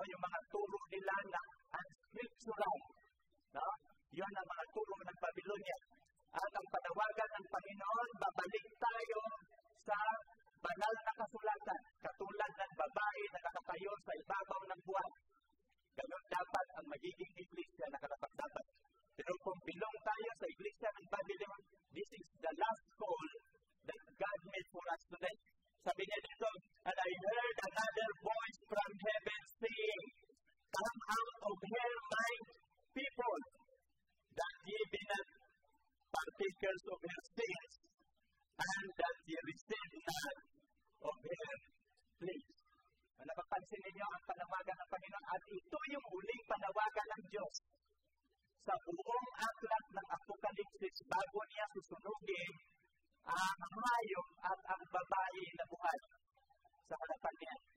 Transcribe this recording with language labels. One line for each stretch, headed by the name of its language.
Filipino: Yung mga turo nila na unscriptural. No? Yan ang mga tulong ng Babylonia. At ang panawagan ng Panginoon, babalik tayo sa banal na kasulatan. Katulad ng babae na nakatayo sa ibabaw ng buwan. Ganun dapat ang magiging iglesia na kalapagdapat. Pero kung belong tayo sa iglesia ng Babylon,
English: this is the last call that God made for us today.
Filipino: Sabi niya dito,
English: and I heard another voice from heaven saying, come out of here, my people, that ye be not partakers of her sins, and that ye receive not of her plagues.
Filipino: Napapansin ninyo ang panawagan ng Panginoon, at ito yung huling panawagan ng Diyos. Sa buong aklat ng Apokalipsis, bago niya susunugin ang hayop at ang babae na buhay sa harapan niya.